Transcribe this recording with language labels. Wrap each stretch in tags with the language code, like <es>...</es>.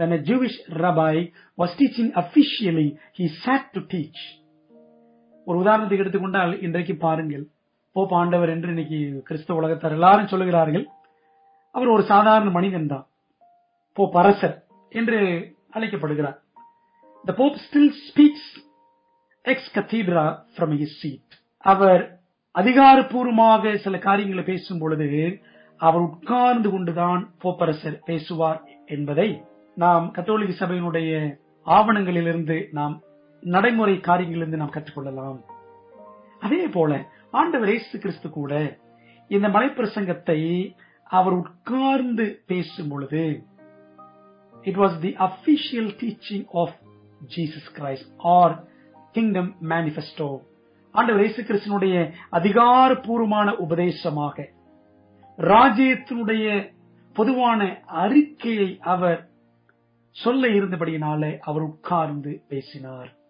<en>When a Jewish rabbi was teaching officially, he sat to teach.</en> <ta>ஒரு உதாரணத்தை எடுத்துக்கொண்டால், இன்றைக்கு பாருங்கள், போப் ஆண்டவர் என்று இன்னைக்கு கிறிஸ்தவ உலகத்தார் எல்லாரும் சொல்லுகிறார்கள். அவர் ஒரு சாதாரண மனிதன் தான், போப் அரசர் என்று அழைக்கப்படுகிறார்.</ta> <en>The Pope still speaks ex cathedra from his seat.</en> <ta>அவர் அதிகாரப்பூர்வமாக சில காரியங்களை பேசும் பொழுது அவர் உட்கார்ந்து கொண்டுதான் போப்பரசர் பேசுவார் என்பதை நாம் கத்தோலிக்க சபையினுடைய ஆவணங்களிலிருந்து, நாம் நடைமுறை காரியங்களிலிருந்து நாம் கற்றுக்கொள்ளலாம். அதே போல ஆண்டவர் இயேசு கிறிஸ்து கூட இந்த மலை பிரசங்கத்தை அவர் உட்கார்ந்து பேசும் பொழுது,</ta> <en>it was the official teaching of Jesus Christ or kingdom manifesto,</en> <ta>ஆண்டவர் இயேசு கிறிஸ்துனுடைய அதிகாரப்பூர்வமான உபதேசமாக, ராஜ்யத்தினுடைய பொதுவான அறிக்கையை அவர் சொல்ல இருந்தபடியினாலே அவர் உட்கார்ந்து பேசினார்.</ta>